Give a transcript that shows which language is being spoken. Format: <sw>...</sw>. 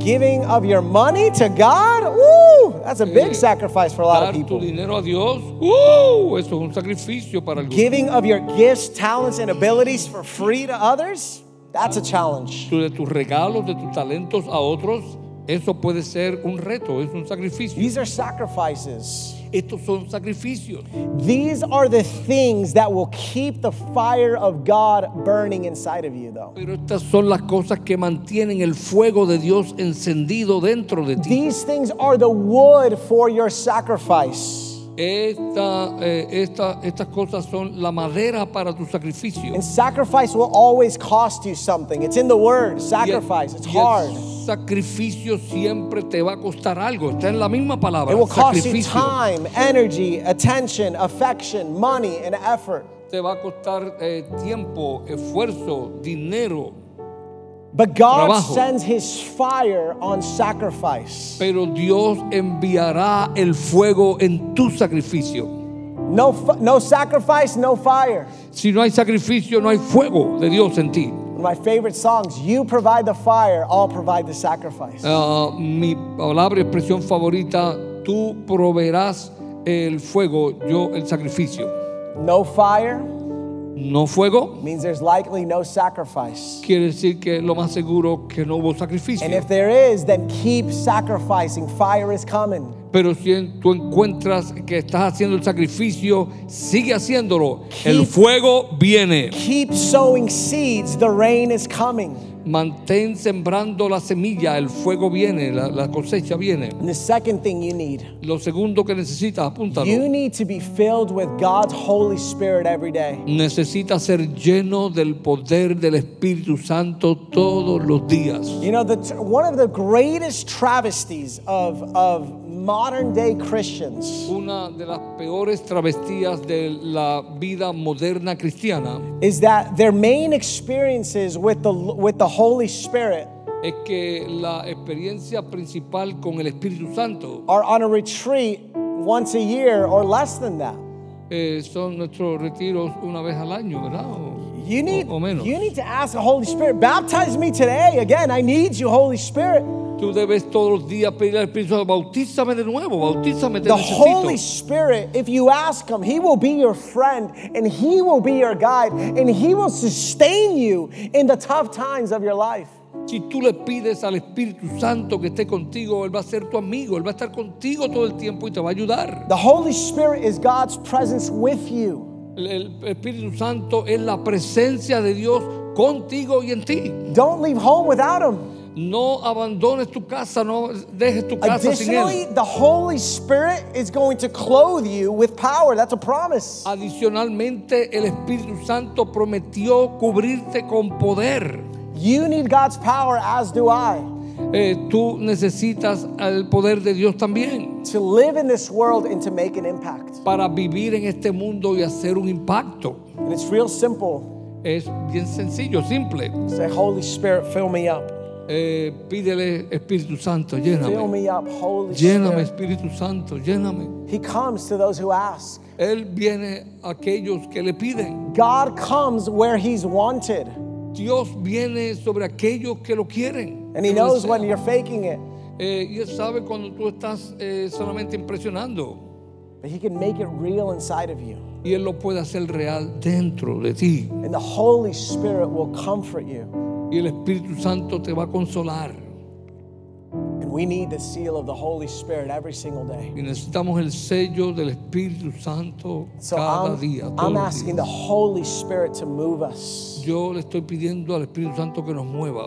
<en>Giving of your money to God, woo, that's a big sacrifice for a lot of people.</en> <es>Dar tu dinero a Dios, woo, eso es un sacrificio para algunos.</es> <en>Giving of your gifts, talents, and abilities for free to others, that's a challenge.</en> <es>De tus regalos, de tus talentos a otros, eso puede ser un reto, es un sacrificio.</es> <en>These are sacrifices.</en> <es>Estos son sacrificios.</es> <en>These are the things that will keep the fire of God burning inside of you, though.</en> <es>Pero estas son las cosas que mantienen el fuego de Dios encendido dentro de ti.</es> <en>These things are the wood for your sacrifice.</en> <es>Estas cosas son la madera para tu sacrificio.</es> <en>And sacrifice will always cost you something. It's in the word, sacrifice. It's hard.</en> <es>Sacrificio siempre te va a costar algo. Está en la misma palabra.</es> <en>It will cost you time, energy, attention, affection, money, and effort.</en> <es>Te va a costar tiempo, esfuerzo, dinero.</es> <en>But God</en> <es>trabajo.</es> <en>Sends his fire on sacrifice.</en> <es>Pero Dios enviará el fuego en tu sacrificio.</es> <en>No sacrifice, no fire.</en> <es>Si no hay sacrificio, no hay fuego de Dios en ti.</es> <en>My favorite songs, you provide the fire, I'll provide the sacrifice.</en> <es>Mi palabra y expresión favorita, tú proveerás el fuego, yo el sacrificio.</es> <en>No fire.</en> <es>No fuego.</es> <en>Means there's likely no sacrifice.</en> <es>Quiere decir que lo más seguro que no hubo sacrificio.</es> <en>And if there is, then keep sacrificing. Fire is coming.</en> <es>Pero si tú encuentras que estás haciendo el sacrificio, sigue haciéndolo.</es> <en>Keep,</en> <es>el fuego viene.</es> <en>Keep sowing seeds. The rain is coming.</en> <es>Mantén sembrando la semilla. El fuego viene. La cosecha viene.</es> <en>And the second thing you need.</en> <es>Lo segundo que necesitas, apúntalo.</es> <en>You need to be filled with God's Holy Spirit every day.</en> <es>Necesitas ser lleno del poder del Espíritu Santo todos los días.</es> <en>You know, one of the greatest travesties of modern day Christians.</en> <es>Una de las peores travestías de la vida moderna cristiana.</es> <en>Is that their main experiences with the Holy Spirit?</en> <es>Es que la experiencia principal con el Espíritu Santo.</es> <en>Are on a retreat once a year or less than that.</en> <es>Son nuestros retiros una vez al año, ¿verdad?</es> <en>You need to ask the Holy Spirit, baptize me today again. I need you, Holy Spirit.</en> <es>Tú debes todos los días pedir al Espíritu Santo, bautízame de nuevo, bautízame.</es> <en>The Holy Spirit, if you ask Him, He will be your friend and He will be your guide and He will sustain you in the tough times of your life.</en> <es>Si tú le pides al Espíritu Santo que esté contigo, Él va a ser tu amigo, Él va a estar contigo todo el tiempo y te va a ayudar.</es> <en>The Holy Spirit is God's presence with you.</en> <es>El Espíritu Santo es la presencia de Dios contigo y en ti.</es> <en>Don't leave home without Him.</en> <es>No abandones tu casa, no dejes tu casa sin él.</es> <en>The Holy Spirit is going to clothe you with power. That's a promise.</en> <es>Adicionalmente, el Espíritu Santo prometió cubrirte con poder.</es> <en>You need God's power, as do I.</en> <es>Tú necesitas el poder de Dios también.</es> <en>To live in this world and to make an impact.</en> <es>Para vivir en este mundo y hacer un impacto.</es> <en>And it's real simple.</en> <es>Es bien sencillo, simple.</es> <en>Say, Holy Spirit, fill me up.</en> <es>Pídele Espíritu Santo, lléname.</es> <en>Fill me up, Holy Spirit.</en> <es>Lléname, Espíritu Santo, lléname.</es> <en>He comes to those who ask.</en> <es>Él viene a aquellos que le piden.</es> <en>God comes where He's wanted.</en> <es>Dios viene sobre aquellos que lo quieren.</es> <en>And He knows when you're faking it.</en> <es>Y él sabe cuando tú estás solamente impresionando.</es> <en>But He can make it real inside of you.</en> <es>Y él lo puede hacer real dentro de ti.</es> <en>And the Holy Spirit will comfort you.</en> <es>Y el Espíritu Santo te va a consolar.</es> <en>And we need the seal of the Holy Spirit every single day.</en> <es>Y necesitamos el sello del Espíritu Santo cada día.</es> <en>I'm asking the Holy Spirit to move us.</en> <es>Yo le estoy pidiendo al Espíritu Santo que nos mueva.</es>